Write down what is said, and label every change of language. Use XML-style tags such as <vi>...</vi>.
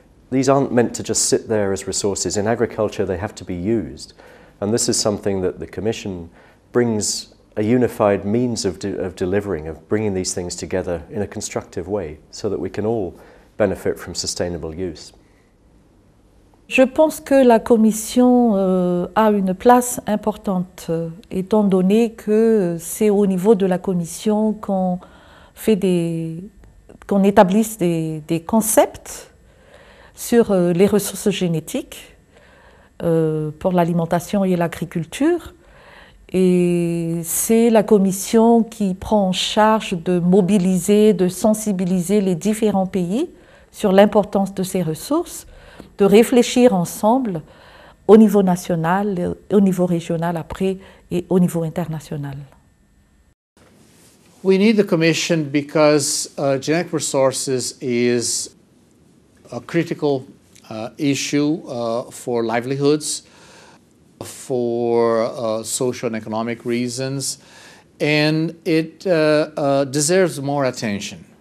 <en>These aren't meant to just sit there as resources. In agriculture, they have to be used. And this is something that the Commission brings a unified means of delivering, of bringing these things together in a constructive way so that we can all benefit from sustainable use.</en> <fr>Je pense que la Commission a une place importante, étant donné que c'est au niveau de la Commission qu'on établisse des concepts sur les ressources génétiques pour l'alimentation et l'agriculture. Et c'est la Commission qui prend en charge de mobiliser, de sensibiliser les différents pays sur l'importance de ces ressources, de réfléchir ensemble au niveau national, au niveau régional après, et au niveau international.</fr> <en>We need the Commission because genetic resources is a critical issue for livelihoods, for social and economic reasons, and it deserves more attention.</en>